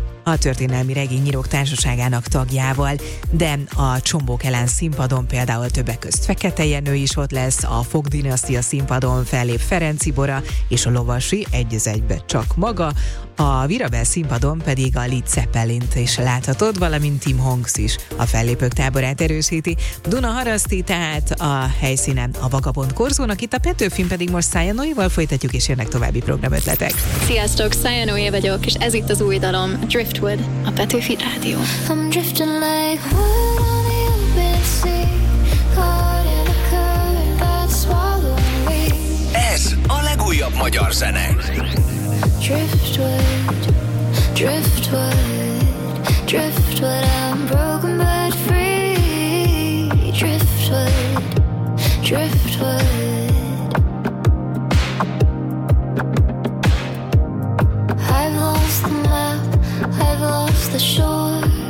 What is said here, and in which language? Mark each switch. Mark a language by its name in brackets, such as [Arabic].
[Hungarian] a Történelmi Regényírók Társaságának tagjával, de a Csombók Ellen színpadon például többek közt Fekete Jenő is ott lesz, a Fog dinasztia színpadon fellép Ferenci Bora és a Lovasi egy az egybe csak maga, a Virabel színpadon pedig a Led Zeppelint is láthatod, valamint Tim Hanks is a fellépők táborát erősíti. Dunaharaszti tehát a helyszínen a Vagabond Korzónak, itt a Petőfin pedig most Szája Noéval folytatjuk, és jönnek további programötletek. Sziasztok, Szája Noé vagyok, és ez itt az új dalom, Driftwood, a Petőfi Rádió. [English] I'm drifting like wood on the open sea, caught in a current that's swallowing me. [Hungarian] Ez a legújabb magyar zene. [English] Driftwood, driftwood, driftwood, I'm broken but free. Driftwood, driftwood, I've lost the map, I've lost the shore.